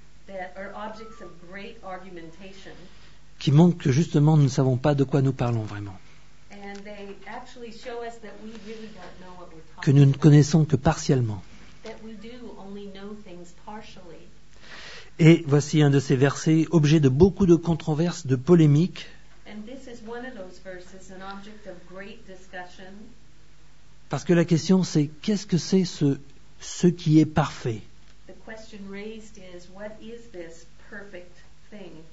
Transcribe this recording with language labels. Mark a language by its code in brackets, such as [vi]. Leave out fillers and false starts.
[en] that are objects of great argumentation, [fr] qui montrent que justement nous ne savons pas de quoi nous parlons vraiment. [en] And they actually show us that we really don't know what we're talking about. [fr] Que nous ne connaissons que partiellement. [en] That we do only know things partially. [fr] Et voici un de ces versets, objet de beaucoup de controverses, de polémiques. [en] And this is one of those verses, an object of great discussion. [fr] Parce que la question c'est, qu'est-ce que c'est ce qui est parfait? [en] The question raised is, what is this perfect thing?